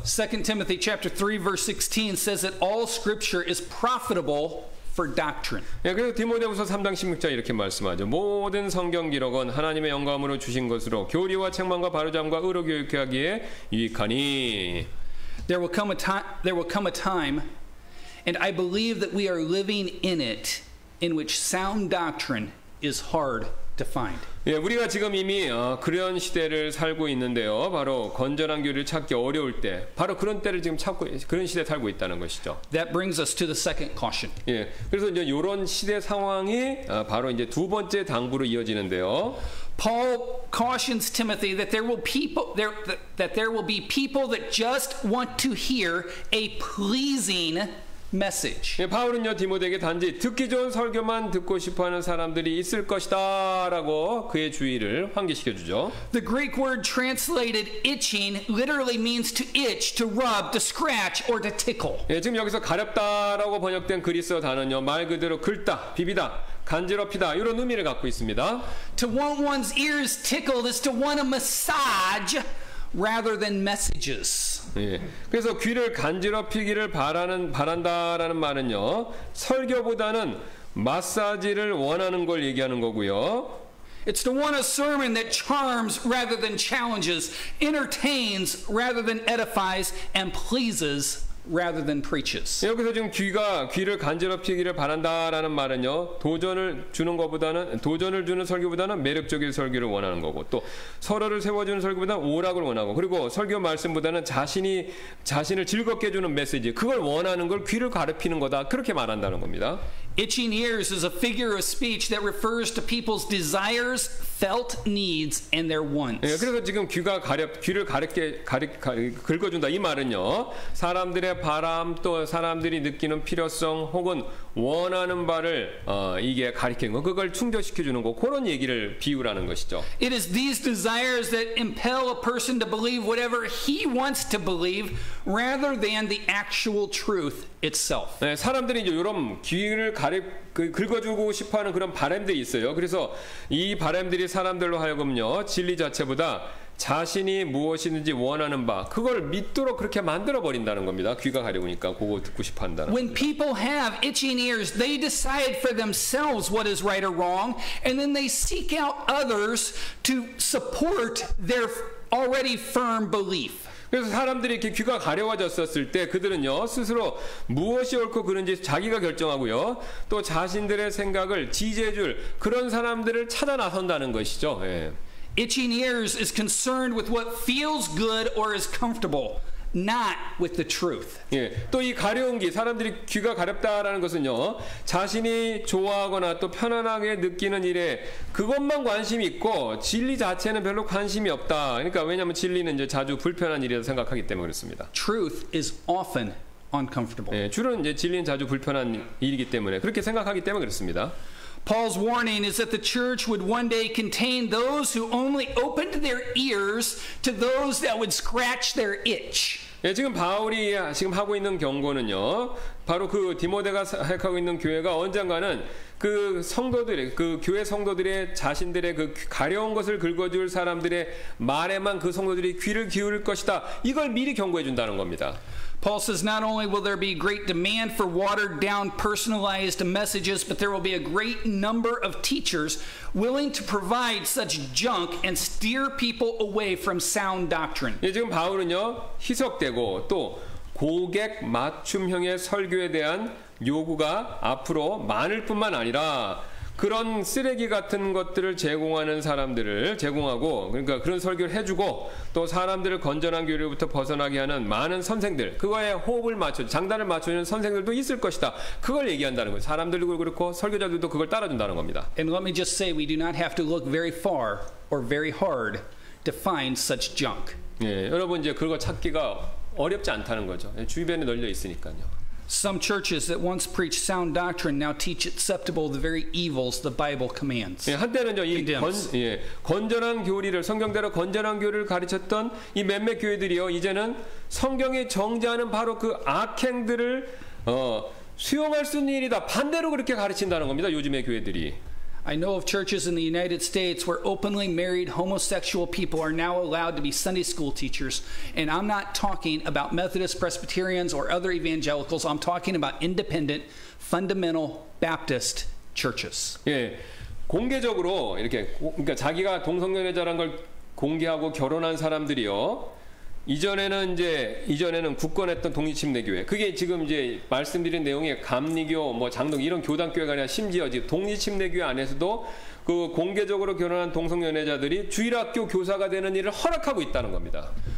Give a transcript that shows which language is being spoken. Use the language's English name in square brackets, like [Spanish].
[English] 2 Timothy chapter 3 verse 16 says that all scripture is profitable for doctrine. [Korean] 예, 그리고 디모데후서 3장 16절 이렇게 말씀하죠. 모든 성경 기록은 하나님의 영감으로 주신 것으로 교리와 책망과 바르잠과 의로 교육하기에 유익하니. [English] There will come a time and I believe that we are living in it in which sound doctrine is hard to find. [Korean] 예, 우리가 지금 이미 그런 시대를 살고 있는데요. 바로 건전한 교리를 찾기 어려울 때, 바로 그런 때를 지금 찾고 그런 시대 살고 있다는 것이죠. [English] That brings us to the second caution. [Korean] 예, 그래서 이제 이런 시대 상황이 바로 이제 두 번째 당부로 이어지는데요. [English] Paul cautions Timothy that there will be people that just want to hear a pleasing message. [Korean] 예, 바울은요 디모데에게 단지 듣기 좋은 설교만 듣고 싶어하는 사람들이 있을 것이다라고 그의 주의를 환기시켜 주죠. [English] The Greek word translated itching literally means to itch, to rub, to scratch, or to tickle. [Korean] 예, 지금 여기서 가렵다라고 번역된 그리스어 단어는요 말 그대로 긁다, 비비다, 간지럽히다 이런 의미를 갖고 있습니다. [English] To want one's ears tickled is to want a massage rather than messages. [Korean] 예, 그래서 귀를 간지럽히기를 바란다라는 말은요 설교보다는 마사지를 원하는 걸 얘기하는 거고요. [English] It's to want a sermon that charms rather than challenges, entertains rather than edifies, and pleases rather than preaches. [Korean] 여기서 지금 귀가 귀를 간접히기를 바란다라는 말은요. 도전을 주는 것보다는 도전을 주는 설교보다는 매력적인 설교를 원하는 거고 또 서로를 세워 주는 설교보다는 오락을 원하고 그리고 설교 말씀보다는 자신을 즐겁게 해 주는 메시지 그걸 원하는 걸 귀를 가르피는 거다. 그렇게 말한다는 겁니다. [English] Itching ears is a figure of speech that refers to people's desires, felt needs, and their wants. [Korean] 예, 그래서 지금 귀가 가렵, 귀를 가렵게 긁어준다 이 말은요, 사람들의 바람 또 사람들이 느끼는 필요성 혹은 원하는 바를 이게 가리키는 거, 그걸 충족시켜주는 거, 그런 얘기를 비유라는 것이죠. [English] It is these desires that impel a person to believe whatever he wants to believe, rather than the actual truth itself. [Korean] 네, 사람들이 이제 이런 귀를 긁어주고 싶어하는 그런 바람들이 있어요. 그래서 이 바람들이 사람들로 하여금요 진리 자체보다 자신이 무엇이든지 원하는 바 그걸 믿도록 그렇게 만들어 버린다는 겁니다. 귀가 가려우니까 그거 듣고 싶어 한다는. [English] When people have itching ears, they decide for themselves what is right or wrong, and then they seek out others to support their already firm belief. [Korean] 그래서 사람들이 이렇게 귀가 가려워졌었을 때 그들은요 스스로 무엇이 옳고 그른지 자기가 결정하고요 또 자신들의 생각을 지지해줄 그런 사람들을 찾아 나선다는 것이죠. 예. [English] Itching ears is concerned with what feels good or is comfortable, not with the truth. [Korean] 예. 또 이 가려운 귀, 사람들이 귀가 가렵다라는 것은요 자신이 좋아하거나 또 편안하게 느끼는 일에 그것만 관심이 있고 진리 자체는 별로 관심이 없다. 그러니까 왜냐하면 진리는 이제 자주 불편한 일이라고 생각하기 때문에 그렇습니다. [English] Truth is often uncomfortable. [Korean] 예. 주로 이제 진리는 자주 불편한 일이기 때문에 그렇게 생각하기 때문에 그렇습니다. [English] Paul's warning is that the church would one day contain those who only opened their ears to those that would scratch their itch. [Korean] 예, 지금 바울이 지금 하고 있는 경고는요. 바로 그 디모데가 사역하고 있는 교회가 언젠가는 그 성도들의 그 교회 성도들의 자신들의 그 가려운 것을 긁어줄 사람들의 말에만 그 성도들이 귀를 기울일 것이다. 이걸 미리 경고해 준다는 겁니다. [English] Paul says not only will there be great demand for watered down personalized messages, but there will be a great number of teachers willing to provide such junk and steer people away from sound doctrine. [Korean] 예, 지금 바울은요, 희석되고 또 고객 맞춤형의 설교에 대한 요구가 앞으로 많을 뿐만 아니라 그런 쓰레기 같은 것들을 제공하는 사람들을 제공하고 그러니까 그런 설교를 해주고 또 사람들을 건전한 교리로부터 벗어나게 하는 많은 선생들 그거에 호흡을 맞춰 장단을 맞추는 선생들도 있을 것이다. 그걸 얘기한다는 거예요. 사람들도 그렇고 설교자들도 그걸 따라준다는 겁니다. [English] And let me just say we do not have to look very far or very hard to find such junk. [Korean] 예, 여러분 이제 그거 찾기가 어렵지 않다는 거죠. 주변에 널려 있으니까요. [English] Some churches that once preached sound doctrine now teach acceptable the very evils the Bible commands. [Korean] 예, 한때는요, 이 건전한 교리를 성경대로 건전한 교리를 가르쳤던 이 몇몇 교회들이요, 이제는 성경이 정죄하는 바로 그 악행들을 수용할 수 있는 일이다. 반대로 그렇게 가르친다는 겁니다. 요즘의 교회들이. [English] I know of churches in the United States where openly married homosexual people are now allowed to be Sunday school teachers, and I'm not talking about Methodist, Presbyterians, or other evangelicals. I'm talking about independent, fundamental Baptist churches. [Korean] 예, 공개적으로 이렇게 그러니까 자기가 동성연애자란 걸 공개하고 결혼한 사람들이요. 이전에는 굳건했던 독립침례교회 그게 지금 이제 말씀드린 내용의 감리교 뭐 장로 이런 교단교회가 아니라 심지어 지금 독립침례교회 안에서도 그 공개적으로 결혼한 동성연애자들이 주일학교 교사가 되는 일을 허락하고 있다는 겁니다.